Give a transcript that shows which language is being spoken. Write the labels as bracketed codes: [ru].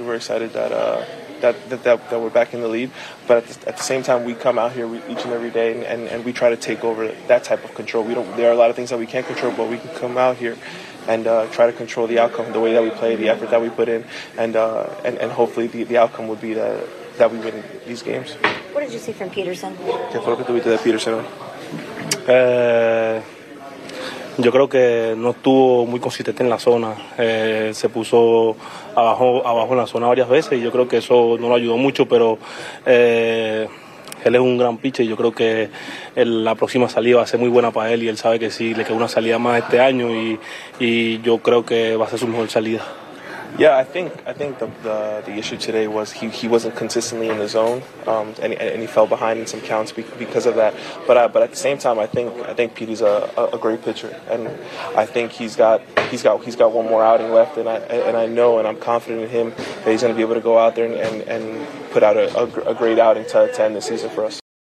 [en] We're excited that we're back in the lead. But at the same time, we come out here each and every day and we try to take over that type of control. There are a lot of things that we can't control, but we can come out here and try to control the outcome, the way that we play, the effort that we put in, and hopefully the outcome would be that we win these games. What did you see from Peterson? [es] ¿Qué fue lo que tuviste de Peterson? Yo creo que no estuvo muy consistente en la zona. Se puso abajo en la zona varias veces y yo creo que eso no lo ayudó mucho, pero él es un gran pitcher y yo creo que la próxima salida va a ser muy buena para él y él sabe que sí, le queda una salida más este año y yo creo que va a ser su mejor salida. [en] Yeah, I think the issue today was he wasn't consistently in the zone, and he fell behind in some counts because of that. But at the same time, I think Petey's a great pitcher, and I think he's got one more outing left, and I know and I'm confident in him that he's going to be able to go out there and put out a great outing to end the season for us.